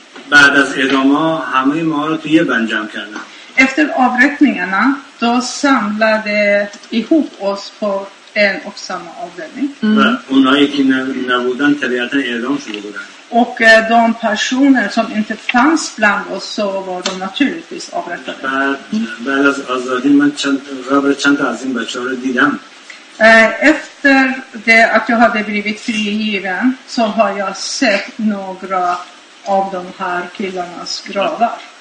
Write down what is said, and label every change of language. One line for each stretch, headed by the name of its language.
Persian: بعد از اعدام همه ما رو توی یه بند جمع کردن.
Swedish: Efter avrättningen då samlade ihop oss på en och samma avdelning.
Persian: اونایی که نبودن طبیعتا اعدام شده بودن.
Swedish: Och de personer som inte fanns bland oss så var de naturligtvis avrättade.
Persian: بعد از آزادی من چند تا از این بچه ها رو دیدم.
Swedish: Efter det att jag hade blivit frigiven så har jag sett några av de här killarnas gravar.